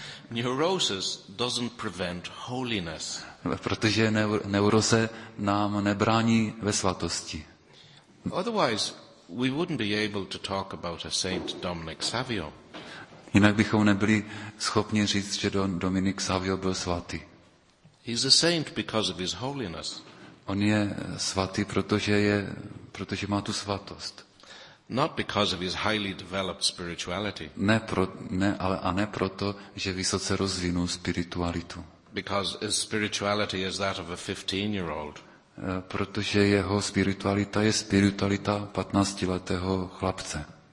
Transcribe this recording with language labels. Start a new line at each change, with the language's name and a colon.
English: Neurosis doesn't prevent holiness.
Czech: Protože neuroze nám nebrání ve svatosti.
English: Otherwise, we wouldn't be able to talk about a Saint Dominic Savio.
Czech: Jinak bychom nebyli schopni říct, že Dominik Savio byl svatý.
English: He's a saint because of his holiness.
Czech: On je svatý, protože má tu svatost.
English: Not because of his highly developed spirituality.
Czech: Ne proto, že vysoce rozvinul spiritualitu.
English: Because his spirituality is that of a 15-year-old.
Czech: Protože jeho spiritualita je spiritualita 15-letého chlapce.